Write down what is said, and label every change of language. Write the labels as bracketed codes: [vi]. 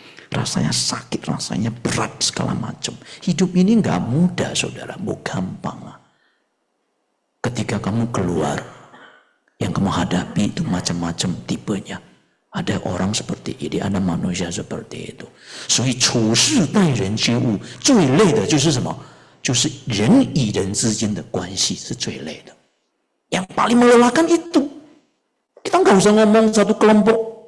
[id] Rasanya sakit, rasanya berat, segala macam. Hidup ini enggak mudah, saudara, bukan gampang. Ketika kamu keluar, yang kamu hadapi itu macam-macam tipenya. Ada orang seperti ini, ada manusia seperti itu. [zh] Jadi, 处事待人接物, 最累的就是什么? 就是人与人之间的关系是最累的。 [id] Yang paling melelahkan itu. Kita enggak usah ngomong satu kelompok.